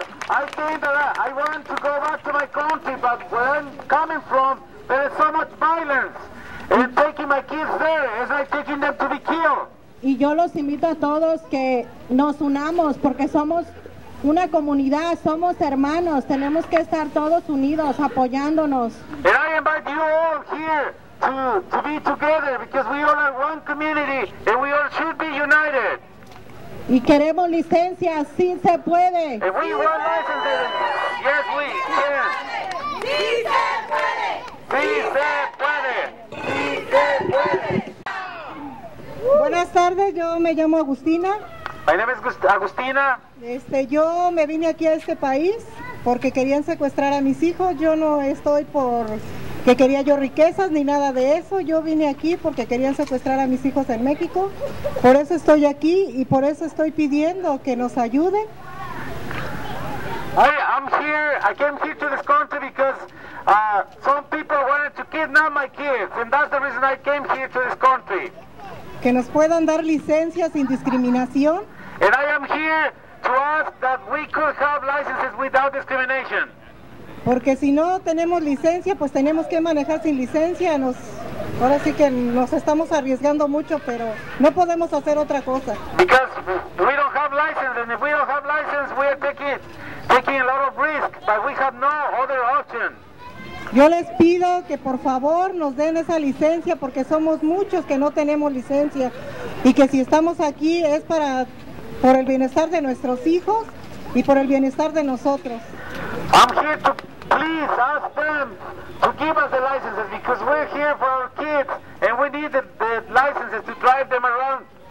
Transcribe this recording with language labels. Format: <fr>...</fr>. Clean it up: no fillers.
<en>I think that I want to go back to my country, but where I'm coming from, there is so much violence. And taking my kids there is like taking them to be killed.</en> <es>Y yo los invito a todos que nos unamos porque somos una comunidad, somos hermanos, tenemos que estar todos unidos, apoyándonos.</es> <en>And I invite you all here to be together because we all are one community and we all should be united.</en> <es>Y queremos licencia, sí se puede.</es> <en>And we want licenses. Yes, we can.</en> <es>Sí se puede. Sí se puede. Sí se puede. Buenas tardes, yo me llamo Agustina.</es> <en>My name is Agustina.</en> <es>Yo me vine aquí a este país porque querían secuestrar a mis hijos. Yo no estoy por que quería yo riquezas ni nada de eso. Yo vine aquí porque querían secuestrar a mis hijos en México. Por eso estoy aquí y por eso estoy pidiendo que nos ayuden.</es> <en>I came here to this country because some people wanted to kidnap my kids and that's the reason I came here to this country.</en> <es>Que nos puedan dar licencias sin discriminación.</es> <en>And I am here to ask that we could have licenses without discrimination.</en> <es>Porque si no tenemos licencia, pues tenemos que manejar sin licencia. Ahora sí que nos estamos arriesgando mucho, pero no podemos hacer otra cosa.</es> <en>Because we don't have license, and if we don't have license, we are taking a lot of risk, but we have no other option.</en> <es>Yo les pido que por favor nos den esa licencia, porque somos muchos que no tenemos licencia, y que si estamos aquí es por el bienestar de nuestros hijos y por el bienestar de nosotros.</es> <en>I'm here to please ask them to give us the licenses because we're here for our kids and we need the licenses to drive them around.</en>